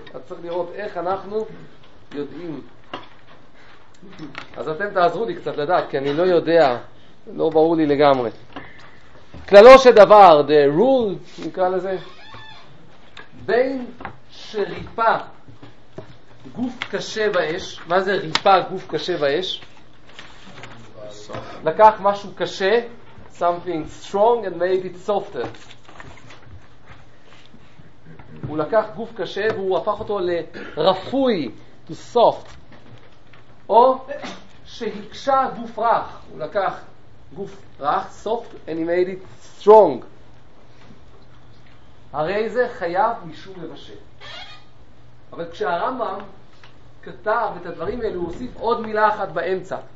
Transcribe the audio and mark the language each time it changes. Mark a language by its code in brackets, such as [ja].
[he] אתה צריך לראות איך אנחנו יודעים. אז אתם תעזרו לי קצת לדעת, כי אני לא יודע, לא ברור לי לגמרי. כללו של דבר, [en] the rule, [he] נקרא לזה, בין שריפה גוף קשה באש, מה זה ריפה גוף קשה באש? לקח משהו קשה, [en] something strong and made it softer. [he] הוא לקח גוף קשה והוא הפך אותו לרפוי, [en] to soft. [he] או שהקשה גוף רך, הוא לקח גוף רך, [en] soft, and he made it strong. [he] הרי זה חייב משום לבשל. אבל כשהרמב״ם כתב את הדברים האלה, הוא הוסיף עוד מילה אחת באמצע.